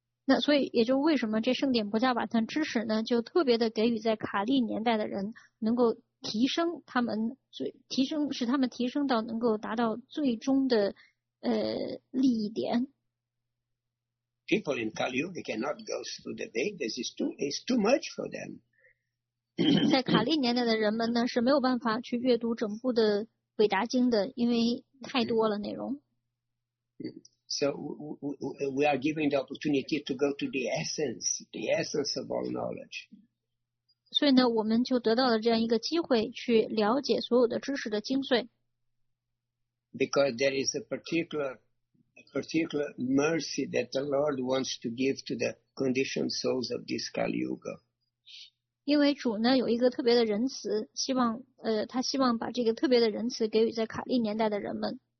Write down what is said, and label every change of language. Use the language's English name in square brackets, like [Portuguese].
[Chinese] 那所以也就为什么这圣典不叫瓦坦知识呢，就特别的给予在卡利年代的人能够提升他们，提升使他们提升到能够达到最终的利益点。 [English] People in Kali Yuga cannot go through the Vedas. It's too much for them. [Chinese] 在卡利年代的人们呢是没有办法去阅读整部的韦达经的，因为太多了内容。 [English] So we are given the opportunity to go to the essence of all knowledge. [Chinese] 所以呢，我们就得到了这样一个机会去了解所有的知识的精髓。 [English] Because there is a particular mercy that the Lord wants to give to the conditioned souls of this Kali Yuga. [Chinese] 因为主呢有一个特别的仁慈，希望他希望把这个特别的仁慈给予在卡利年代的人们。